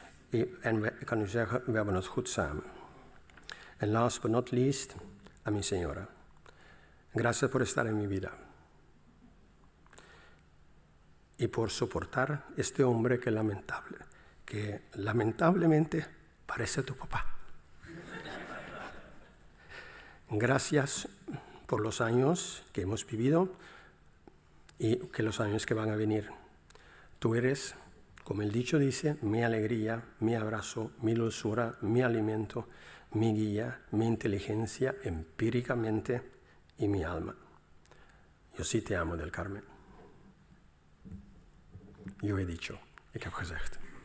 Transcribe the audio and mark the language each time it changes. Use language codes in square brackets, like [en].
[nl] Ik kan u zeggen, we hebben het goed samen. [es] En [en] last but not least, [es] a mi señora. Gracias por estar en mi vida. Y por soportar este hombre que lamentable, que lamentablemente parece tu papá. Gracias por los años que hemos vivido y que los años que van a venir. Tú eres, como el dicho dice, mi alegría, mi abrazo, mi dulzura, mi alimento, mi guía, mi inteligencia empíricamente y mi alma. Yo sí te amo, del Carmen. Yo he dicho, [nl] ik heb gezegd.